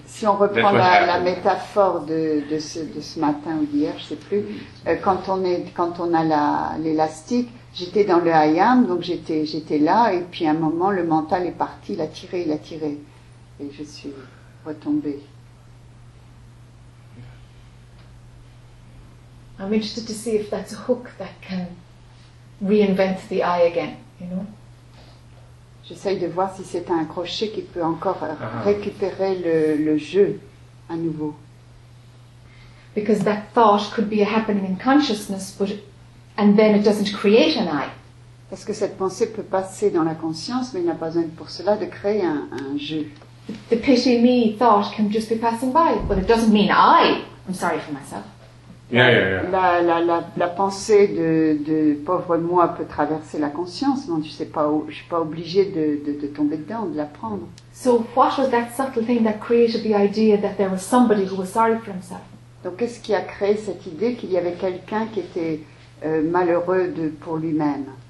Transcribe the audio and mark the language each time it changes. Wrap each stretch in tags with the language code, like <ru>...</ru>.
<fr>Si on reprend la métaphore de ce matin ou d'hier, je ne sais plus, quand on a l'élastique, j'étais dans le I am, donc j'étais là et puis à un moment le mental est parti, il a tiré et je suis retombée.</fr> <en>I'm interested to see if that's a hook that can reinvent the I again, you know?</en> <fr>J'essaye de voir si c'est un crochet qui peut encore récupérer le jeu à nouveau.</fr> <en>Because that thought could be a happening in consciousness, and then it doesn't create an I.</en> <fr>Parce que cette pensée peut passer dans la conscience, mais il n'a pas besoin pour cela de créer un jeu.</fr> <en>The pity me thought can just be passing by, but it doesn't mean I'm sorry for myself.</en> <fr>La pensée de pauvre moi peut traverser la conscience, non, je ne suis pas obligée de tomber dedans, de la prendre.</fr> <en>So what was that subtle thing that created the idea that there was somebody who was sorry for himself?</en> <fr>Donc qu'est-ce qui a créé cette idée qu'il y avait quelqu'un qui était malheureux pour lui-même?</fr>